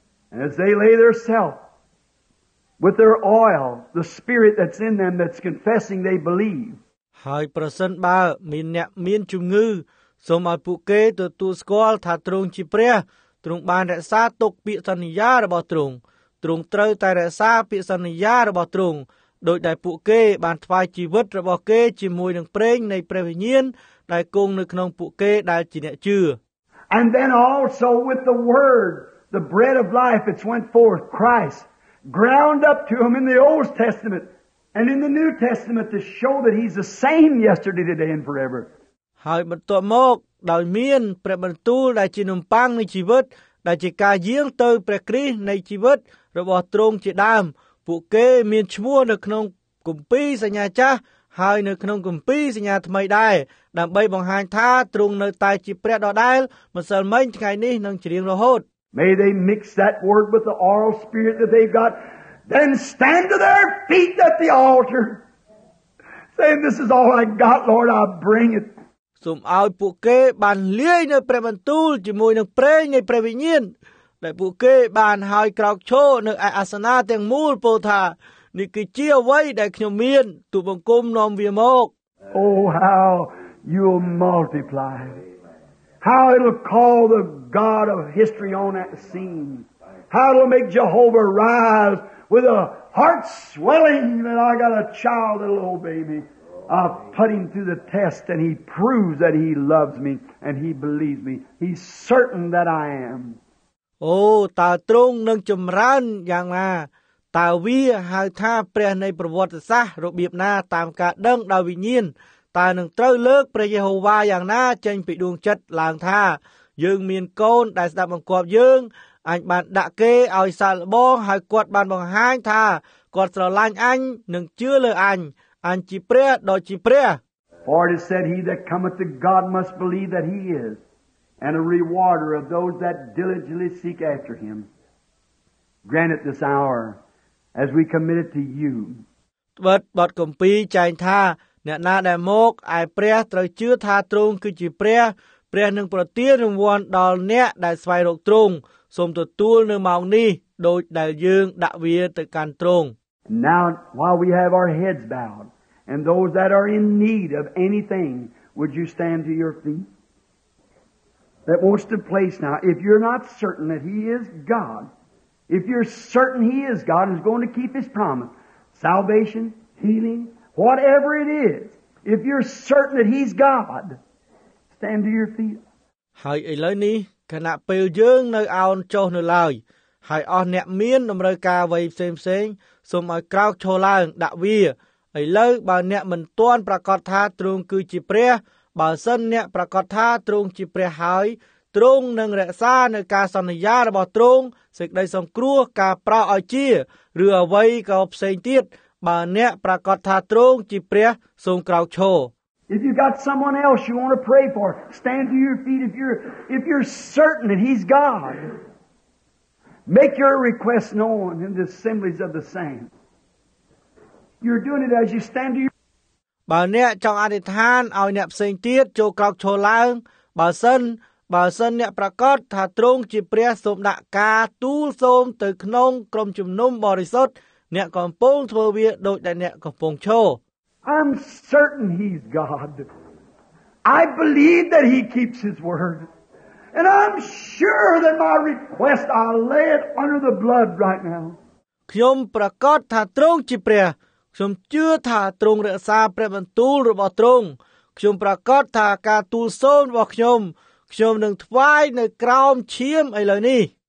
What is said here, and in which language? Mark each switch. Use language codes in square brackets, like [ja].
[en] As they lay their self with their oil, the spirit that's in them that's confessing they believe. [km] ហើយប្រសិនបើមានអ្នកមានជំងឺសូមឲ្យពួកគេទទួលស្គាល់ថាទ្រង់ជាព្រះទ្រង់បានរក្សាទុកពាក្យសន្យារបស់ទ្រង់ទ្រង់ត្រូវតែរក្សាពាក្យសន្យារបស់ទ្រង់ដោយដែលពួកគេបានថ្វាយជីវិតរបស់គេជាមួយនឹងព្រេងនៃព្រះវិញ្ញាណដែលគង់នៅក្នុងពួកគេដែលជាអ្នកជឿ [en] And then also with the wordThe bread of life, it's went forth, Christ, ground up to him in the Old Testament and in the New Testament to show that he's the same yesterday, today, and forever. [km] ហើយបន្ទាប់មកដោយមានព្រះបន្ទូលដែលជានំប៉័ងនៃជីវិតដែលជាការយាងទៅព្រះគ្រីស្ទនៃជីវិតរបស់ទ្រង់ជាដើមពួកគេមានឈ្មោះនៅក្នុងគម្ពីរសញ្ញាចាស់ហើយនៅក្នុងគម្ពីរសញ្ញាថ្មីដែរដើម្បីបង្ហាញថាទ្រង់នៅតែជាព្រះដដែលម្សិលមិញថ្ងៃនេះនិងជារៀងរហូត [en] May they mix that word with the oral spirit that they've got, then stand to their feet at the altar, saying, this is all I got, Lord, I'll bring it. [km] សូមឲ្យពួកគេបានលាយនៅព្រះបន្ទូលជាមួយនឹងព្រេងនៃព្រះវិញ្ញាណដែលពួកគេបានហើយក្រោកឈរនៅឯអាសនៈទាំងមូលពោលថានេះគឺជាអ្វីដែលខ្ញុំមានទូបង្គំនាំវាមក [en] Oh, how you'll multiply it. How it'll call the God of history on that scene. How it'll make Jehovah rise with a heart swelling that I got a child that'll obey me. I'll put him through the test and he proves that he loves me and he believes me. He's certain that I am. [km] Oh, ta trung nung chum ran yang na. Ta vi hai tha preh nei pravatasah robiep na tam ka deng da vinyin. តើនឹងត្រូវលើកព្រះយេហូវ៉ាយ៉ាងណាចេញពីដួងចិត្តឡើងថាយើងមានកូនដែលស្ដាប់បង្គាប់យើងអញបានដាក់គេឲ្យសាកល្បងហើយគាត់បានបង្ហាញថាគាត់ស្រឡាញ់អញនិងជឿលើអញអញជាព្រះដ៏ជាព្រះ [en] For it said he that cometh to God must believe that he is and a rewarder of those that diligently seek after him Grant it this hour as we commit it to you [km] បទកំពីចែងថាអ្នកណាដែលមកឯព្រះត្រូវជឿថាទ្រង់គឺជាព្រះព្រះនឹងប្រទានរង្វាន់ដល់អ្នកដែលស្វែងរកទ្រង់សូមទទួលនៅម៉ោងនេះដោយដែលយើងដាក់វាទៅកាន់ទ្រង់ [en] Now while we have our heads bowed and those that are in need of anything would you stand to your feet That wants to place now if you're not certain that he is God if you're certain he is God and is going to keep his promise salvation healingWhatever it is, if you're certain that he's God, stand to your feet. [km] ហើយឥឡូវនេះគណៈពេលយើងនៅអោនចុះនៅឡើយហើយអស់អ្នកមានតម្រូវការអ្វីផ្សេងផ្សេងសូមឲ្យក្រោកឈរឡើងដាក់វាឥឡូវបើអ្នកមិនទាន់ប្រកាសថាទ្រង់គឺជាព្រះបើសិនអ្នកប្រកាសថាទ្រង់ជាព្រះហើយទ្រង់នឹងរក្សានៅការសន្យារបស់ទ្រង់សេចក្តីសង្គ្រោះការប្រោសឲ្យជាឬអ្វីក៏ផ្សេងទៀតបើអ្នកប្រកាសថាទ្រង់ជាព្រះសូមក្រោកឈរ [en] If you got someone else you want to pray for stand to your feet if you're certain that he's God make your request known in the assemblies of the saints you're doing it as you stand to your [km] បើអ្នកចង់អធិដ្ឋានឲ្យអ្នកផ្សេងទៀតចូលក្រោកឈរឡើងបើសិនអ្នកប្រកាសថាទ្រង់ជាព្រះសូមដាក់ការទូលសូមទៅក្នុងក្រុមជំនុំបរិសុទ្ធអ្នកកំពុងធ្វើវាដូចដែលអ្នកកំពុងឈរ [en] I'm certain he's God. I believe that he keeps his word. And I'm sure that my request I'll lay it under the blood right now. [km] ខ្ញុំប្រកាសថាទ្រង់ជាព្រះខ្ញុំជឿថាទ្រង់រក្សាព្រះបន្ទូលរបស់ទ្រង់ខ្ញុំប្រកាសថាការទូលសូមរបស់ខ្ញុំនឹងថ្វាយនៅក្រោមឈាមឥឡូវនេះ